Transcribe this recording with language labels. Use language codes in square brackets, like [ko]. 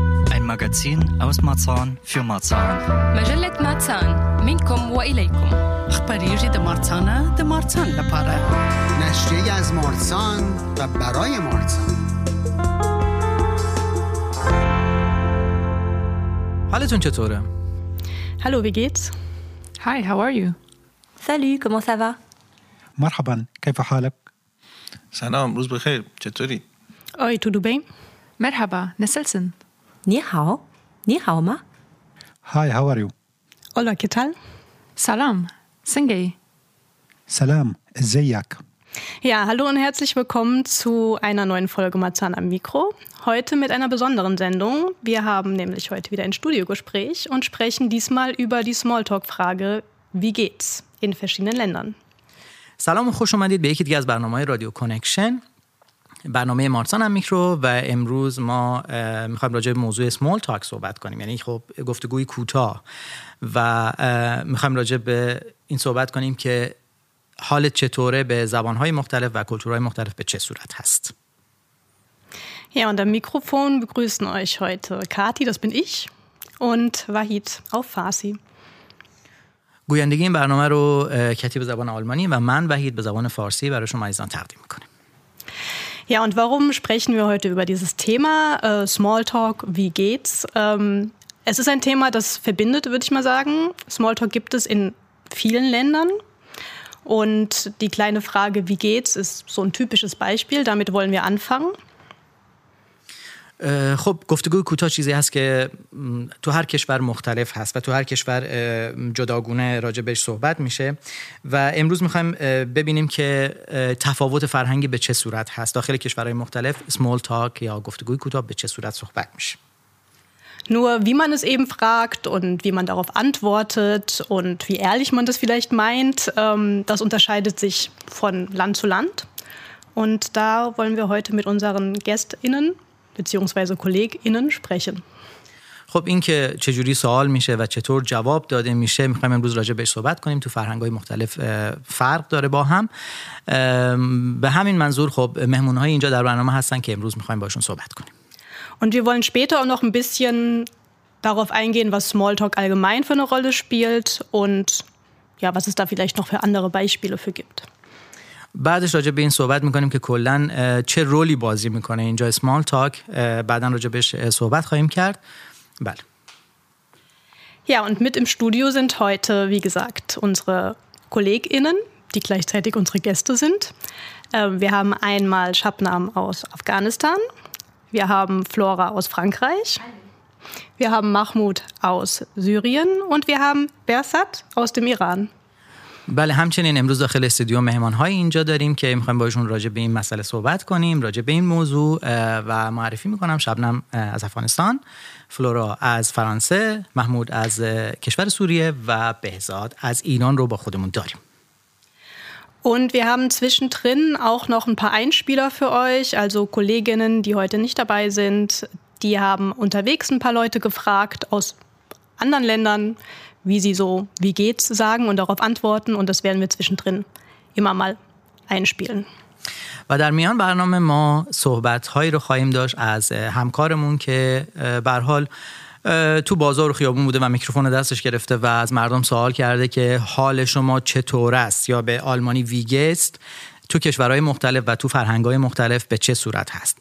[de] Ein Magazin aus Marzahn für Marzahn. [ar] مجلة Marzahn. منكم وإليكم. أخباري جديدة مارزانا ده مارزان لبارة. [fa] نشرية از مارزان و براي مارزان. حالتون چطوره؟ [de] Hallo, wie geht's? [en] Hi, how are you? [fr] Salut, comment ça va? [ar] مرحبا, كيف حالك؟ [fa] سلام, روز بخير, چطوری؟ Oi, tout du bien? [ar] مرحبا, نسلسن. [zh] Ni hao ma. [en] Hi, how are you? [es] Hola, que tal? Salam, singei. Salam, zeyak. [de] Ja, hallo und herzlich willkommen zu einer neuen Folge Marzahn am Mikro. Heute mit einer besonderen Sendung. Wir haben nämlich heute wieder ein Studiogespräch und sprechen diesmal über die Smalltalk-Frage, wie geht's in verschiedenen Ländern. [fa] Salam und خوش اومدید به یکی دیگه از برنامه‌های رادیو کانکشن. برنامه مارسان هم میکرو و امروز ما میخوایم راجع به موضوع سمال تاک صحبت کنیم, یعنی خب گفتگوی کوتاه, و میخوایم راجع به این صحبت کنیم که حالت چطوره, به زبانهای مختلف و کلتورهای مختلف به چه صورت هست. [de] Ja, und am Mikrofon begrüßen euch heute Kati, das bin ich, und Wahid auf Farsi. [fa] گویندگی این برنامه رو کتی به زبان آلمانی و من وحید به زبان فارسی برای شما عزیزان تقدیم میکنیم. [de] Ja, und warum sprechen wir heute über dieses Thema Smalltalk, wie geht's? Es ist ein Thema, das verbindet, würde ich mal sagen. Smalltalk gibt es in vielen Ländern. Und die kleine Frage, wie geht's, ist so ein typisches Beispiel. Damit wollen wir anfangen. [fa] خب گفتگوی کوتاه چیزی هست که تو هر کشور مختلف هست و تو هر کشور جداگونه راجبش صحبت میشه, و امروز میخوایم ببینیم که تفاوت فرهنگی به چه صورت هست داخل کشورهای مختلف. سمول تاک یا گفتگوی کوتاه به چه صورت صحبت میشه. [de] Nur wie man es eben fragt und wie man darauf antwortet und wie ehrlich man das vielleicht meint, das unterscheidet sich von Land zu Land, und da wollen wir heute mit unseren GästInnen beziehungsweise KollegInnen sprechen. [fa] خب این که چجوری سوال میشه و چطور جواب داده میشه میخوایم امروز راجع بهش صحبت کنیم. تو فرهنگ‌های مختلف فرق داره با هم. به همین منظور خب مهمون‌های اینجا در برنامه هستن که امروز میخوایم باشون صحبت کنیم. [de] Und wir wollen später auch noch ein bisschen darauf eingehen, was Smalltalk allgemein für eine Rolle spielt und ja, was es da vielleicht noch für andere Beispiele für gibt. [fa] بعدش راجع به این صحبت میکنیم که کلن چه رولی بازی میکنه اینجا سمال تاک. بعدن راجع بهش صحبت خواهیم کرد. بله. [de] Ja, und mit im Studio sind heute, wie gesagt, unsere KollegInnen, die gleichzeitig unsere Gäste sind. Wir haben einmal Shabnam aus Afghanistan. Wir haben Flora aus Frankreich. Wir haben Mahmoud aus Syrien. Und wir haben Behzad aus dem Iran. [fa] بله, همچنین امروز داخل استودیو مهمان‌های اینجا داریم که می‌خوایم باهاشون راجع به این مسئله صحبت کنیم, راجع به این موضوع, و معرفی می‌کنم شبنم از افغانستان, فلورا از فرانسه, محمود از کشور سوریه و بهزاد از ایران رو با خودمون داریم. [de] Und wir haben zwischendrin auch noch ein paar Einspieler für euch, also Kolleginnen, die heute nicht dabei sind, die haben unterwegs ein paar Leute gefragt aus anderen Ländern, wie sie so, wie geht's sagen und darauf antworten, und das werden wir zwischendrin immer mal einspielen. [fa] و در میان برنامه ما صحبت‌هایی رو خواهیم داشت از همکارمون که به هر حال تو بازار و خیابون بوده و میکروفون دستش گرفته و از مردم سوال کرده که حال شما چطور است, یا به آلمانی ویگست, تو کشورهای مختلف و تو فرهنگ‌های مختلف به چه صورت هست.